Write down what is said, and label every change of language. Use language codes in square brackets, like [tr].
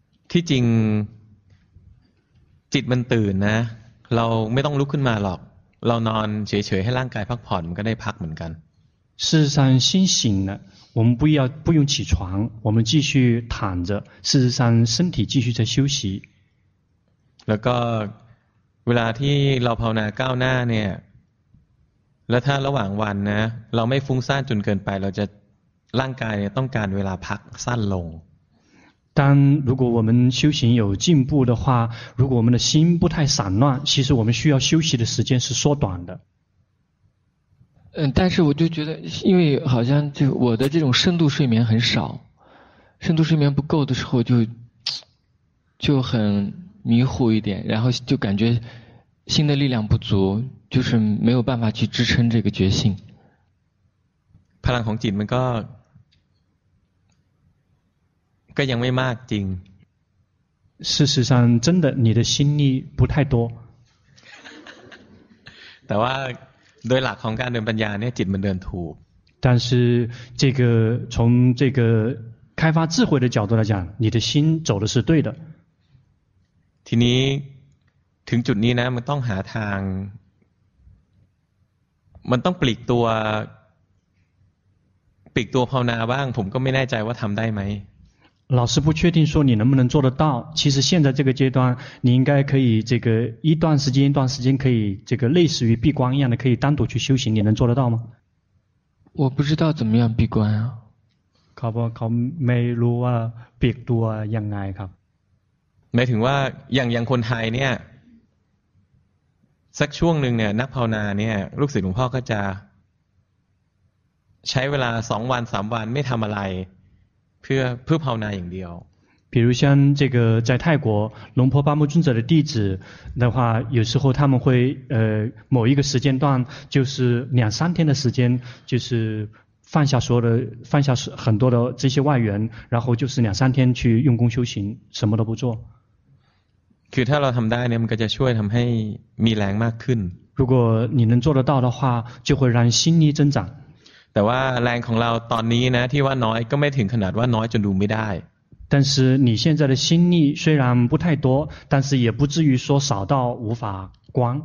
[th] ที่จริงจิตมันตื่นนะเราไม่ต้องลุกขึ้นมาหรอกเรานอนเฉยๆให้ร่างกายพักผ่อนมันก็ได้พักเหมือนกัน [zh] 事实上心醒了我们不用起床我们继续躺着事实上身体继续在休息 [th] แล้วก็เวลาที่เราภาวนาก้าวหน้าเนี่ยแล้วถ้าระหว่างวันนะเราไม่ฟุ้งซ่านจนเกินไปเราจะร่างกายเนี่ยต้องการเวลาพักสั้นลง [zh] 当如果我们修行有进步的话如果我们的心不太散乱其实我们需要休息的时间是缩短的但是我就觉得因为好像就我的这种深度睡眠很少深度睡眠不够的时候就很迷糊一点然后就感觉心的力量不足就是没有办法去支撑这个觉性 [th] พลังของจิตมันก็ยังไม่มากจริง [zh] 事实上真的你的心力不太多 [th] แต่ว่าโดยหลักของการเดินปัญญาเนี่ยจิตมันเดินถูก [zh] 但是这个从这个开发智慧的角度来讲你的心走的是对的 [th] ทีนี้ถึงจุดนี้นะมันต้องหาทางมันต้องปลีกตัวภาวนาบ้างผมก็ไม่แน่ใจว่าทำได้ไหม [zh] 老师不确定说你能不能做得到其实现在这个阶段你应该可以这个一段时间可以这个类似于闭关一样的可以单独去修行你能做得到吗我不知道怎么样闭关啊考不考没路啊闭多啊样爱考 [th] หมายถึงว่าอย่างคนไทยเนี่ยสักช่วงหนึ่งเนี่ยนักภาวนาเนี่ยลูกศิษย์หลวงพ่อก็จะใช้เวลา2วัน3วันไม่ทำอะไรเพื่อภาวนาอย่างเดียว [zh] 比如像这个在泰国龙婆巴木尊者的弟子的话，有时候他们会某一个时间段就是两三天的时间，就是放下很多的这些外缘，然后就是两三天去用功修行，什么都不做。 [th] คือถ้าเราทำได้เนี่ยมันก็จะช่วยทำให้มีแรงมากขึ้น。 [zh] 如果你能做得到的话，就会让心力增长。 [th] แต่ว่าแรงของเราตอนนี้นะที่ว่าน้อยก็ไม่ถึงขนาดว่าน้อยจนดูไม่ได้ [zh] 但是你现在的心力虽然不太多，但是也不至于说少到无法观。